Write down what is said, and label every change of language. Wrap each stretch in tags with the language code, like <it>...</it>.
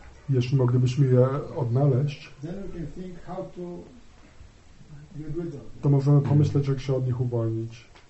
<pl>Jeśli moglibyśmy je odnaleźć,</pl> <en>then we can think how to get rid of them.</en> <pl>To możemy pomyśleć, jak się od nich uwolnić.</pl>